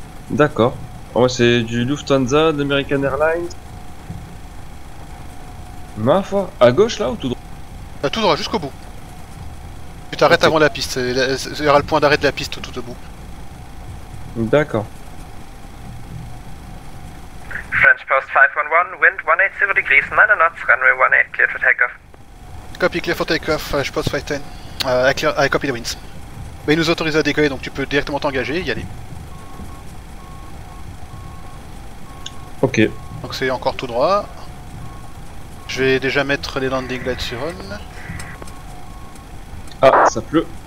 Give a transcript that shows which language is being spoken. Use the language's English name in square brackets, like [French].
[French] D'accord. Oh, c'est du Lufthansa, d'American Airlines. Ma foi, à gauche là ou tout droit? Tout droit, jusqu'au bout. Tu t'arrêtes avant la piste, il y aura le point d'arrêt de la piste tout au bout. D'accord. [English] French Post 511, wind 180 degrees, 9 knots, runway 18, clear for takeoff. Copy, clear for takeoff, French Post 510. I copy the winds. [French] Mais il nous autorise à décoller, donc tu peux directement t'engager et y aller. Ok. Donc c'est encore tout droit. Je vais déjà mettre les landing lights sur on. Ah, ça pleut.